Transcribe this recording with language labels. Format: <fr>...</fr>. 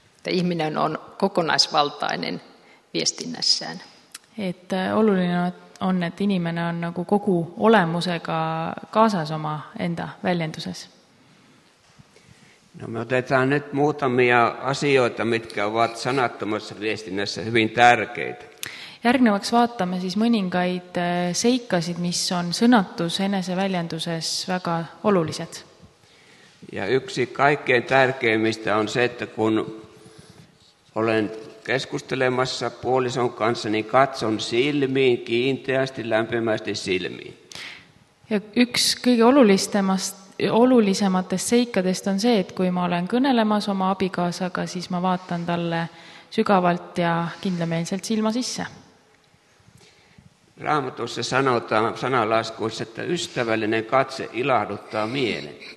<fi>Ihminen on kokonaisvaltainen viestinnässään.</fi> <et>Et oluline on, et inimene on nagu kogu olemusega kaasas oma enda väljenduses.</et> <fi>No me otetaan nyt muutamia asioita, mitkä ovat sanattomassa viestinnässä hyvin tärkeitä.</fi> <et>Järgnevaks vaatame siis mõningaid seikasid, mis on sõnatus enese väljenduses väga olulised.</et> <fi>Ja yksi kaikkein tärkeimmistä on se, että kun olen keskustelemassa puolison kanssa, niin katson silmiin kiinteästi, lämpimästi silmiin.</fi> <et>Ja yksi kõige olulisematest seikadest on see, et kui ma olen kõnelemas oma abikaasaga, siis ma vaatan talle sügavalt ja kindlameelselt silma sisse.</et> <fi>Raamatussa sanotaan sananlaskuissa, että ystävällinen katse ilahduttaa mielen.</fi>